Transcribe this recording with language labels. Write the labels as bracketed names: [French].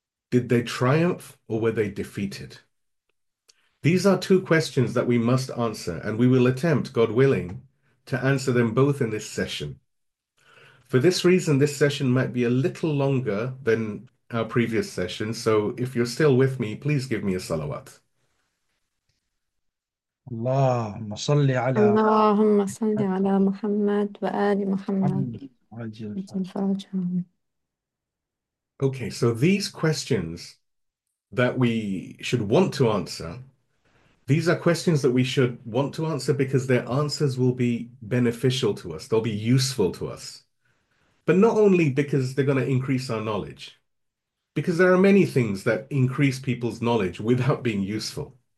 [English] Did they triumph or were they defeated? These are two questions that we must answer, and we will attempt, God willing, to answer them both in this session. For this reason, this session might be a little longer than our previous session, so if you're still with me, please give me a salawat. [Arabic] اللهم صل على اللهم صل على محمد وآل محمد محمد عجل الفاتح. الفاتحة. [English] Okay, so these questions that we should want to answer, these are questions that we should want to answer because their answers will be beneficial to us, they'll be useful to us. But not only because they're going to increase our knowledge, because there are many things that increase people's knowledge without being useful.